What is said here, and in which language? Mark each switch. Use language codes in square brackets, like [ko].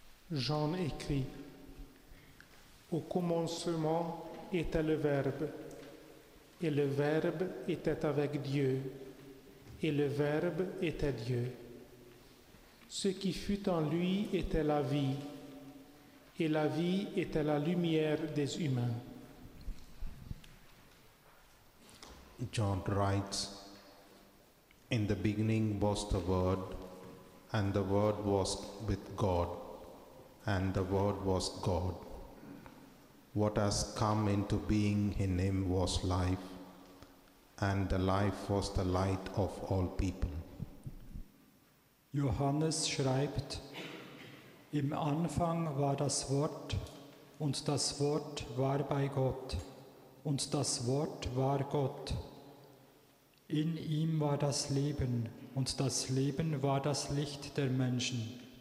[fr] Jean écrit : Au commencement était le Verbe, et le Verbe était avec Dieu, et le Verbe était Dieu. Ce qui fut en lui était la vie, et la vie était la lumière des humains. [en] John writes, In the beginning was the Word, and the Word was with God, and the Word was God. What has come into being in him was life, and the life was the light of all people. [de] Johannes schreibt, Im Anfang war das Wort, und das Wort war bei Gott, und das Wort war Gott. In ihm war das Leben, und das Leben war das Licht der Menschen.